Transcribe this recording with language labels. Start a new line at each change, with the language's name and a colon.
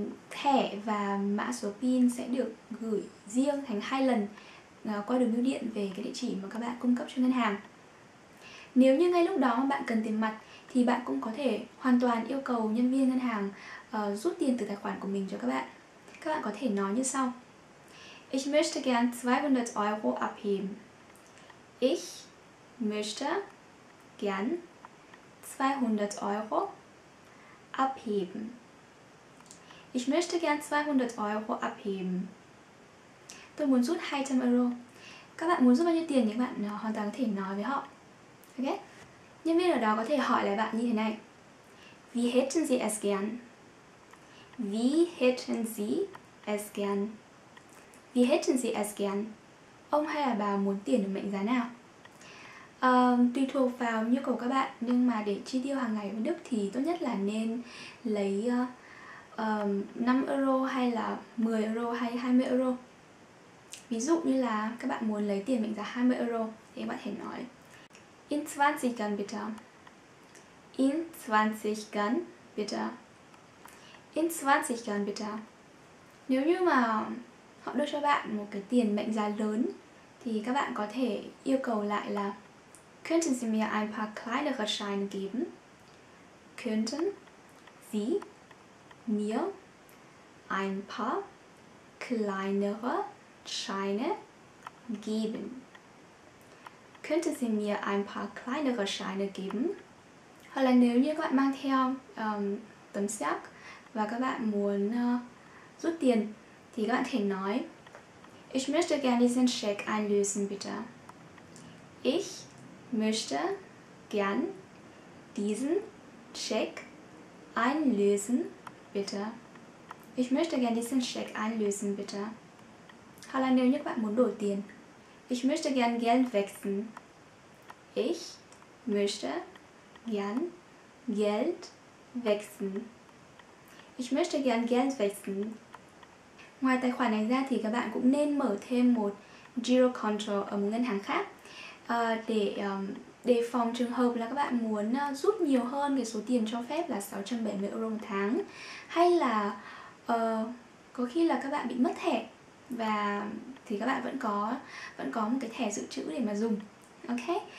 Vietnamese: Thẻ và mã số PIN sẽ được gửi riêng thành 2 lần qua đường bưu điện về cái địa chỉ mà các bạn cung cấp cho ngân hàng. Nếu như ngay lúc đó mà bạn cần tiền mặt thì bạn cũng có thể hoàn toàn yêu cầu nhân viên ngân hàng rút tiền từ tài khoản của mình cho các bạn. Các bạn có thể nói như sau:
German: Ich möchte gern 200 Euro abheben. Ich möchte gern 200 Euro abheben. Ich möchte gern 200 Euro abheben.
Vietnamese: Tôi muốn rút 200 euro. Các bạn muốn rút bao nhiêu tiền thì các bạn hoàn toàn có thể nói với họ. Ok? Nhân viên ở đó có thể hỏi lại bạn như thế này:
German: Wie hätten Sie es gern? Wie hätten Sie es gern? Wie hätten Sie es gern?
Vietnamese: Ông hay là bà muốn tiền ở mệnh giá nào? Tùy thuộc vào nhu cầu các bạn, nhưng mà để chi tiêu hàng ngày ở Đức thì tốt nhất là nên lấy 5 euro hay là 10 euro hay 20 euro. Ví dụ như là các bạn muốn lấy tiền mệnh giá 20 euro thì các bạn hãy nói:
German: In 20ern bitte. In 20ern bitte. In 20ern bitte.
Vietnamese: Nếu như mà họ đưa cho bạn một cái tiền mệnh giá lớn thì các bạn có thể yêu cầu lại là:
German: Könnten Sie mir ein paar kleinere Scheine geben? Könnten Sie mir ein paar kleinere Scheine geben? Könnten Sie mir ein paar kleinere Scheine geben?
Vietnamese: Hoặc là nếu như các bạn mang theo tấm xác và các bạn muốn rút tiền thì các bạn thể nói:
German: Ich möchte gerne diesen Scheck einlösen, bitte. Ich möchte gern diesen Scheck einlösen, bitte. Ich möchte gern diesen Scheck einlösen, bitte.
Vietnamese: Hoặc là nếu như các bạn muốn đổi tiền:
German: Ich möchte gern Geld wechseln. Ich möchte gern Geld wechseln. Ich möchte gern Geld wechseln.
Vietnamese: Ngoài tài khoản này ra thì các bạn cũng nên mở thêm một Girokonto ở một ngân hàng khác, để đề phòng trường hợp là các bạn muốn rút nhiều hơn cái số tiền cho phép là 670 euro một tháng, hay là có khi là các bạn bị mất thẻ và thì các bạn vẫn có một cái thẻ dự trữ để mà dùng. Ok.